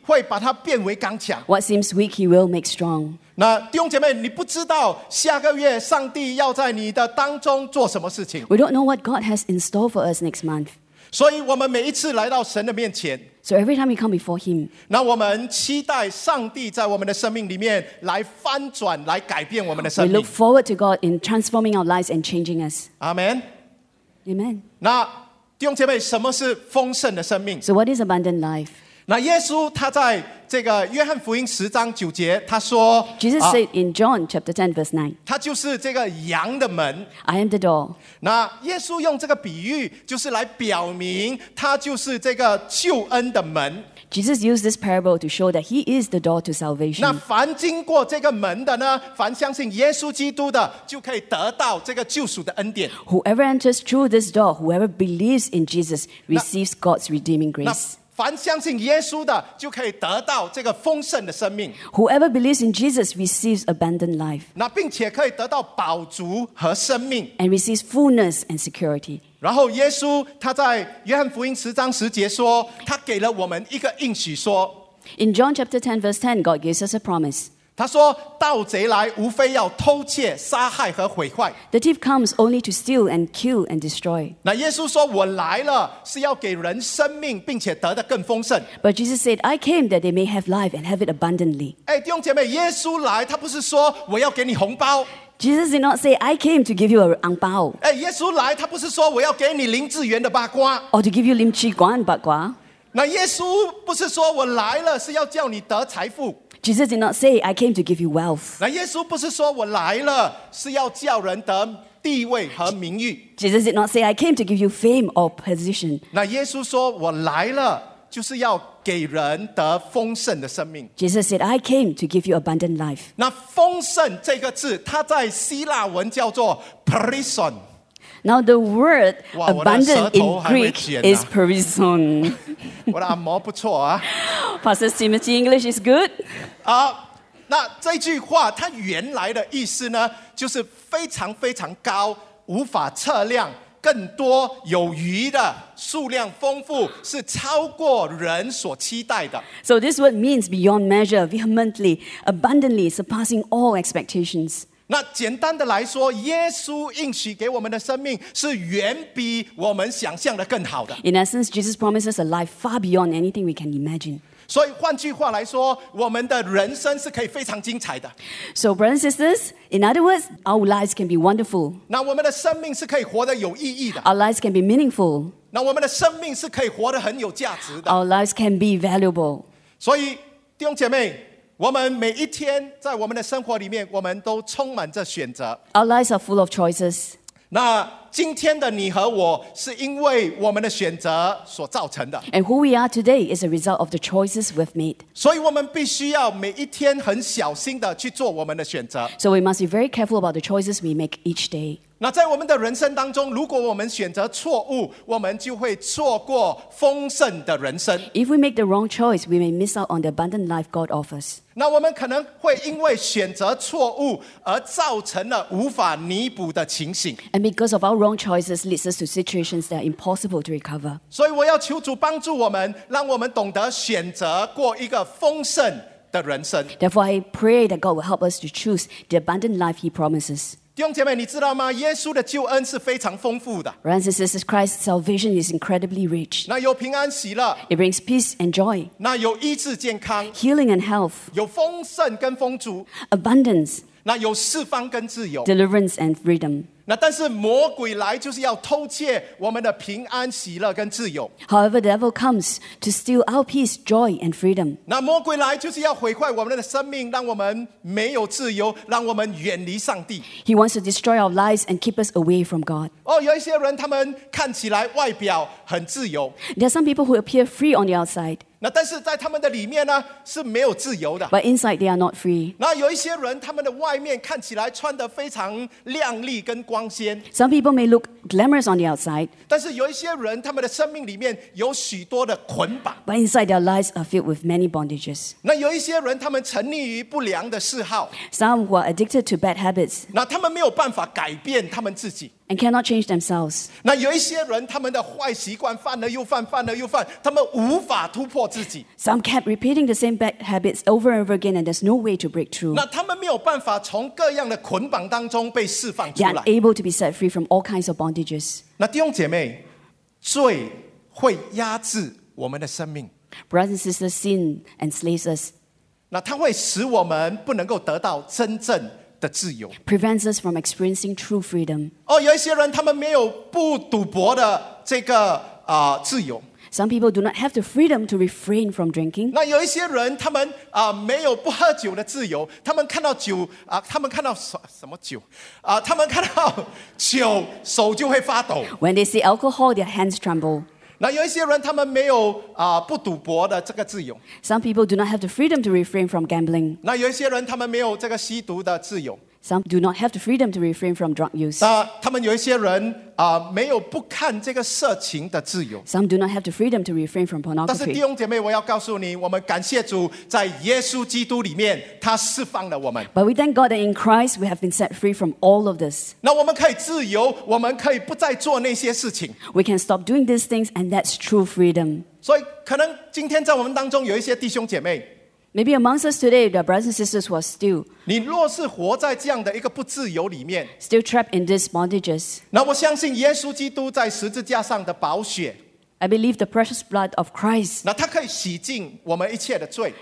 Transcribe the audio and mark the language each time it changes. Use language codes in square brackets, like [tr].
[zh] 那些看起来很软弱的,上帝会把它变为刚强。 [en] What seems weak, He will make strong. [zh] 那弟兄姐妹,你不知道下个月上帝要在你的当中做什么事情。 [en] We don't know what God has in store for us next month. [zh] 所以我们每一次来到神的面前, [en] So every time we come before Him, [zh] 那我们期待上帝在我们的生命里面来翻转, 来改变我们的生命。 [en] We look forward to God in transforming our lives and changing us. Amen. Amen. [zh] 那弟兄姐妹, 什么是丰盛的生命? [en] So what is abundant life? [zh] 那耶稣他在这个约翰福音10章9节, 他说, [en] Jesus said in John chapter 10 verse 9, [zh] 他就是这个羊的门, [en] I am the door. [zh] 那耶稣用这个比喻, 就是来表明他就是这个救恩的门。 [en] Jesus used this parable to show that He is the door to salvation. [zh] 那凡经过这个门的呢, 凡相信耶稣基督的, 就可以得到这个救赎的恩典。 [en] Whoever enters through this door, whoever believes in Jesus, receives God's redeeming grace. [zh] 凡相信耶稣的就可以得到这个丰盛的生命。 [en] Whoever believes in Jesus receives abundant life. [zh] 那并且可以得到饱足和生命。 [en] And receives fullness and security. [zh] 然后耶稣他在约翰福音十章十节说，他给了我们一个应许说。 [en] In John chapter 10 verse 10, God gives us a promise. [zh] 他说，盗贼来无非要偷窃、杀害和毁坏。 [en] The thief comes only to steal and kill and destroy. [zh] 那耶稣说，我来了是要给人生命，并且得的更丰盛。 [en] But Jesus said, I came that they may have life and have it abundantly. [zh] 哎，弟兄姐妹，耶稣来，他不是说我要给你红包。 [en] Jesus did not say, I came to give you an ang bao. [zh] 哎，耶稣来，他不是说我要给你林志远的八卦。 [en] Or to give you Lim Chi Guan 八卦。 [zh] 那耶稣不是说我来了是要叫你得财富。 [en] Jesus did not say, I came to give you wealth. [zh] 那耶稣不是说我来了是要叫人得地位和名誉。 [en] Jesus did not say, I came to give you fame or position. [zh] 那耶稣说我来了就是要给人得丰盛的生命。 [en] Jesus said, I came to give you abundant life. [zh] 那丰盛这个字，它在希腊文叫做 parison. [en] Now the word abundant in Greek is parison. [zh] 我的按摩不错啊。 [en] Pastor Timothy, English is good. [zh] 那这句话它原来的意思呢，就是非常非常高，无法测量，更多有余的，数量丰富，是超过人所期待的。 [en] So this word means beyond measure, vehemently, abundantly, surpassing all expectations. [zh] 那简单的来说，耶稣应许给我们的生命是远比我们想象的更好的。 [en] In essence, Jesus promises a life far beyond anything we can imagine. [zh] 所以换句话来说，我们的人生是可以非常精彩的。 [en] So brothers and sisters,In other words, our lives can be wonderful. [zh] 那我们的生命是可以活得有意义的。 [en] Our lives can be meaningful. [zh] 那我们的生命是可以活得很有价值的。 [en] Our lives can be valuable. [zh] 所以弟兄姐妹，我们每一天在我们的生活里面，我们都充满着选择。 [en] Our lives are full of choices. [zh] 那今天的你和我是因为我们的选择所造成的。 [en] And who we are today is a result of the choices we've made. [zh] 所以我们必须要每一天很小心的去做我们的选择。 [en] So we must be very careful about the choices we make each day. [zh] 那在我们的人生当中，如果我们选择错误，我们就会错过丰盛的人生。 [en] If we make the wrong choice, we may miss out on the abundant life God offers. [zh] 那我们可能会因为选择错误而造成了无法弥补的情形。 [en] And because of ourWrong choices leads us to situations that are impossible to recover. [zh] 所以我要求主帮助我们，让我们懂得选择过一个丰盛的人生。 [en] Therefore, I pray that God will help us to choose the abundant life He promises. [zh] 弟兄姐妹，你知道吗？耶稣的救恩是非常丰富的。 [en] Brothers and sisters, Christ's salvation is incredibly rich. [zh] 那有平安喜乐。 [en] It brings peace and joy. [zh] 那有医治健康。 [en] Healing and health. [zh] 有丰盛跟丰足。 [en] Abundance. [zh] 那有释放跟自由。 [en] Deliverance and freedom. [zh] 那但是魔鬼来就是要偷窃我们的平安喜乐跟自由。 [en] However, the devil comes to steal our peace, joy and freedom. [zh] 那魔鬼来就是要毁坏我们的生命，让我们没有自由，让我们远离上帝。 [en] He wants to destroy our lives and keep us away from God. [zh] 哦，有一些人他们看起来外表很自由。 [en] There are some people who appear free on the outside. [zh] 那但是在他们的里面呢是没有自由的。 [en] But inside they are not free. [zh] 那有一些人他们的外面看起来穿得非常亮丽跟光鲜。 [en] Some people may look glamorous on the outside. [zh] 但是有一些人他们的生命里面有许多的捆绑。 [en] But inside their lives are filled with many bondages. [zh] 那有一些人他们沉溺于不良的嗜好。 [en] Some who are addicted to bad habits. [zh] 那他们没有办法改变他们自己。 [en] And cannot change themselves. [zh] 那有一些人他们的坏习惯犯了又犯，犯了又犯，他们无法突破自己。 [en] Some kept repeating the same bad habits over and over again, and there's no way to break through. [zh] 那他们没有办法从各样的捆绑当中被释放出来。 [en] They are able to be set free from all kinds of bondages. [zh] 那弟兄姐妹，罪会压制我们的生命。 [en] Brothers and sisters, sin enslaves us. [zh] 那它会使我们不能够得到真正。的自由 [en] prevents us from experiencing true freedom. [zh] 哦，有一些人他们没有不赌博的这个自由。 [en] Some people do not have the freedom to refrain from drinking. [zh] 那有一些人他们没有不喝酒的自由，他们看到酒他们看到什么酒他们看到酒手就会发抖。 [en] When they see alcohol, their hands tremble. [zh] 那有一些人他们没有不赌博的这个自由。 [en] Some people do not have the freedom to refrain from gambling. [zh] 那有一些人他们没有这个吸毒的自由。 [en] Some do not have the freedom to refrain from drug use. [zh] 他们有一些人, 没有不看这个色情的自由。 [en] Some do not have the freedom to refrain from pornography. [zh] 但是弟兄姐妹, 我要告诉你, 我们感谢主, 在耶稣基督里面, 祂释放了我们。 [en] But we thank God that in Christ we have been set free from all of this. [zh] 那我们可以自由, 我们可以不再做那些事情。 [en] We can stop doing these things, and that's true freedom. [zh] 所以可能今天在我们当中有一些弟兄姐妹, [en] Maybe amongst us today, the brothers and sisters were still [zh] 你若是活在这样的一个不自由里面, [en] still trapped in these bondages. [zh] 那我相信耶稣基督在十字架上的宝血, [en] I believe the precious blood of Christ [zh] 那祂可以洗净我们一切的罪,